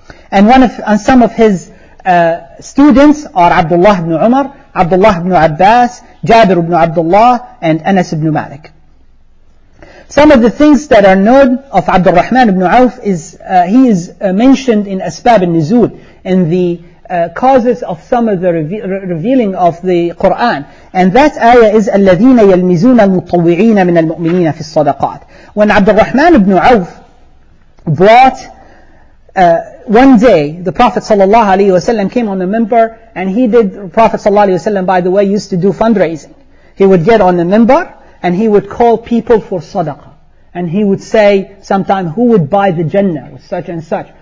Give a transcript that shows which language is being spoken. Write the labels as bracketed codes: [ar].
[en] And some of his students are Abdullah ibn Umar, Abdullah ibn Abbas, Jabir ibn Abdullah, and Anas ibn Malik. Some of the things that are known of Abdul Rahman ibn Auf is, he is mentioned in Asbab al-Nuzul, in the causes of some of the revealing of the Quran. And that ayah is [ar] الَّذِينَ يَلْمِزُونَ الْمُطَوِّعِينَ مِنَ الْمُؤْمِنِينَ فِي الصَّدَقَاتِ. [en] When Abdul Rahman ibn Auf brought one day, the Prophet sallallahu alaihi wasallam came on the minbar, and he did, Prophet sallallahu alaihi wasallam, by the way, used to do fundraising. He would get on the minbar and he would call people for sadaqah. And he would say sometime, who would buy the Jannah with such and such?